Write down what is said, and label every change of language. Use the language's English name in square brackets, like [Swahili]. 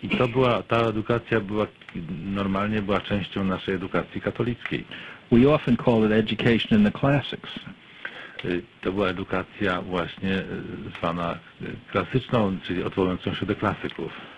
[Polish] I to była, ta edukacja była, normalnie była częścią naszej edukacji katolickiej. [English] We often call it education in the classics. [Polish] To była edukacja właśnie zwana klasyczną, czyli odwołującą się do klasyków.